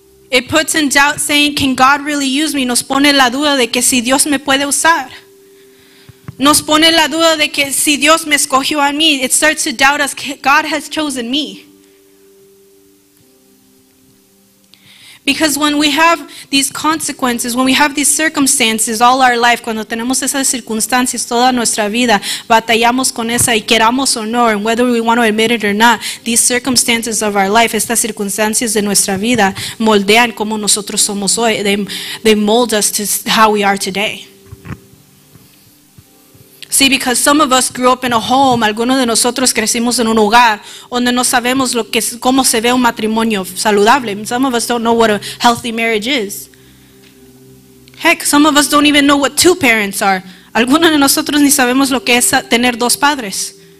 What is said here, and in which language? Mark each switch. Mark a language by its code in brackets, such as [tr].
[en] It puts in doubt saying, can God really use me? [es] Nos pone la duda de que si Dios me puede usar. Nos pone la duda de que si Dios me escogió a mí. [en] It starts to doubt us, God has chosen me. Because when we have these consequences, when we have these circumstances all our life, [es] cuando tenemos esas circunstancias toda nuestra vida, batallamos con esa y queramos o no, [en] and whether we want to admit it or not, these circumstances of our life, [es] estas circunstancias de nuestra vida, moldean como nosotros somos hoy. [en] They mold us to how we are today. See, because some of us grew up in a home, [es] algunos de nosotros crecimos en un hogar donde no sabemos lo que, cómo se ve un matrimonio saludable. [en] Some of us don't know what a healthy marriage is. Heck, some of us don't even know what two parents are. [es] Algunos de nosotros ni sabemos lo que es tener dos padres.